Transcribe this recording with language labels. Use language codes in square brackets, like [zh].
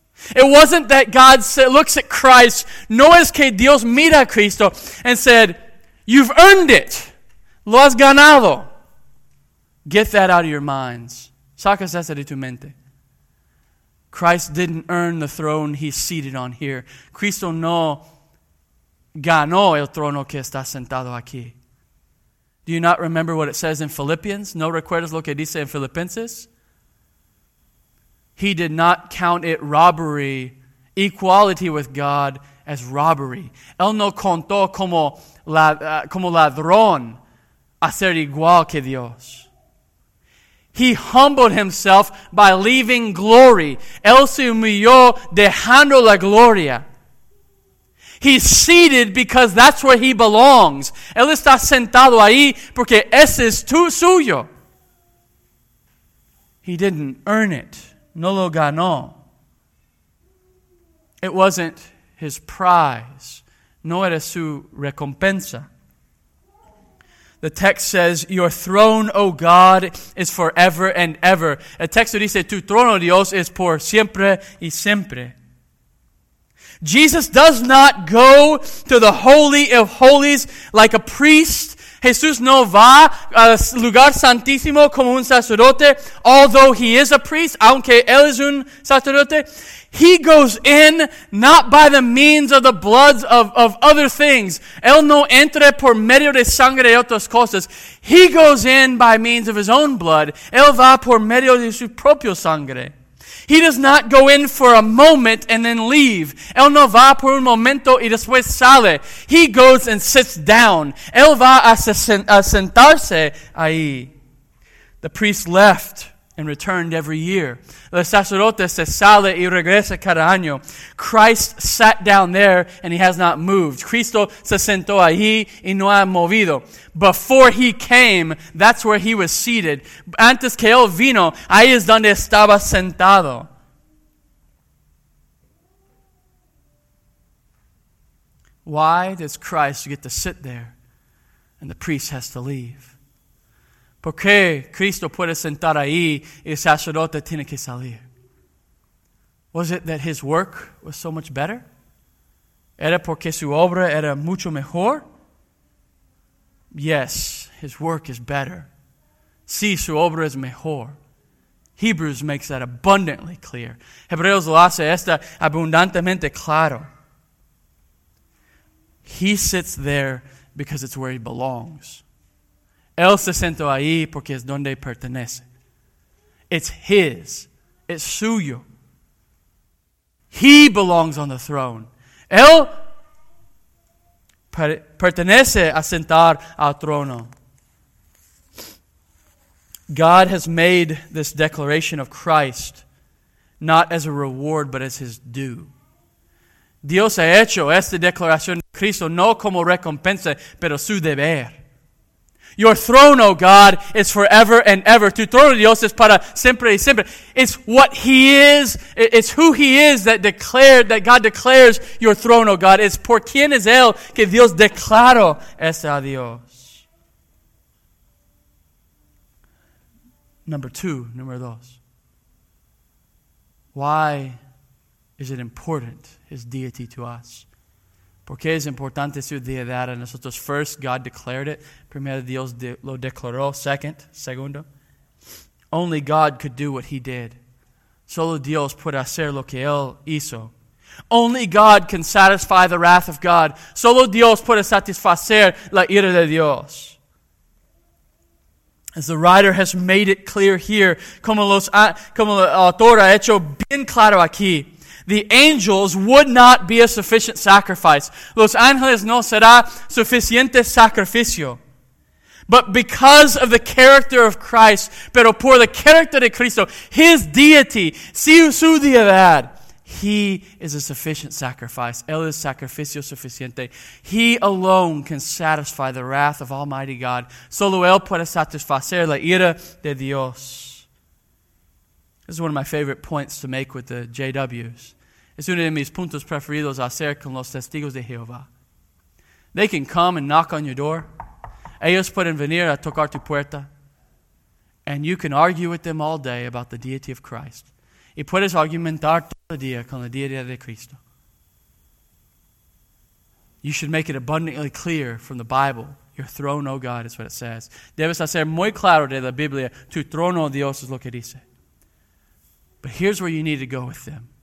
[en] It wasn't that God looks at Christ, [es] no es que Dios mira a Cristo [en] and said, you've earned it, [es] lo has ganado. [en] Get that out of your minds. [es] Sacas esa de tu mente. [en] Christ didn't earn the throne He's seated on here. [es] Cristo no ganó el trono que está sentado aquí. [en] Do you not remember what it says in Philippians? [es] ¿No recuerdas lo que dice en Filipenses? [en] He did not count it robbery, equality with God, as robbery. [es] Él no contó como ladrón hacer igual que Dios. [en] He humbled Himself by leaving glory. Él se humilló dejando la gloria. He's seated because that's where He belongs. [es] Él está sentado ahí porque ese es suyo. [en] He didn't earn it. [es] No lo ganó. [en] It wasn't His prize. [es] No era su recompensa. [en] The text says, your throne, O God, is forever and ever. [es] El texto dice, tu trono, Dios, es por siempre y siempre. [en] Jesus does not go to the Holy of Holies like a priest. [es] Jesús no va al lugar santísimo como un sacerdote, [en] although He is a priest, [es] aunque Él es un sacerdote. He goes in not by the means of the blood of other things. Él no entra por medio de sangre de otras cosas. [en] He goes in by means of His own blood. [es] Él va por medio de su propio sangre. [en] He does not go in for a moment and then leave. [es] Él no va por un momento y después sale. [en] He goes and sits down. [es] Él va a sentarse ahí. [en] The priest left and returned every year. [es] El sacerdote se sale y regresa cada año. [en] Christ sat down there and He has not moved. [es] Cristo se sentó ahí y no ha movido. [en] Before He came, that's where He was seated. [es] Antes que Él vino, ahí es donde estaba sentado. [en] Why does Christ get to sit there and the priest has to leave? [es] ¿Por qué Cristo puede sentar ahí y el sacerdote tiene que salir? [en] Was it that His work was so much better? [es] ¿Era porque su obra era mucho mejor? [en] Yes, His work is better. [es] Sí, su obra es mejor. [en] Hebrews makes that abundantly clear. [es] Hebreos lo hace esta abundantemente claro. [en] He sits there because it's where He belongs. [es] Él se sentó ahí porque es donde pertenece. [en] It's His. It's [es] suyo. [en] He belongs on the throne. [es] Él pertenece a sentar al trono. [en] God has made this declaration of Christ not as a reward but as His due. [es] Dios ha hecho esta declaración de Cristo no como recompensa, pero su deber. [en] Your throne, O God, is forever and ever. [es] Tu trono, Dios, es para siempre y siempre. [en] It's what He is. It's who He is that God declares your throne, O God. [es] Es por quien es Él que Dios declaró es a Dios. Número dos. [en] Why is it important, His deity to us? [es] ¿Por qué es importante su deidad a nosotros? [en] First, God declared it. [es] Primero, Dios lo declaró. Segundo, [en] only God could do what He did. [es] Solo Dios puede hacer lo que Él hizo. [en] Only God can satisfy the wrath of God. [es] Solo Dios puede satisfacer la ira de Dios. [en] As the writer has made it clear here, [es] como el autor ha hecho bien claro aquí, [en] the angels would not be a sufficient sacrifice. [es] Los ángeles no será suficiente sacrificio. [en] But because of the character of Christ, [es] pero por el carácter de Cristo, [en] His deity, [es] si su deidad, [en] He is a sufficient sacrifice. [es] Él es sacrificio suficiente. [en] He alone can satisfy the wrath of Almighty God. [es] Solo Él puede satisfacer la ira de Dios. [en] This is one of my favorite points to make with the JWs. [es] Es uno de mis puntos preferidos hacer con los testigos de Jehová. [en] They can come and knock on your door. [es] Ellos pueden venir a tocar tu puerta. [en] And you can argue with them all day about the deity of Christ. [es] Y puedes argumentar todo el día con la deidad de Cristo. [en] You should make it abundantly clear from the Bible. Your throne, O God, is what it says. [es] Debes hacer muy claro de la Biblia. Tu trono, Dios, es lo que dice. [en] But here's where you need to go with them.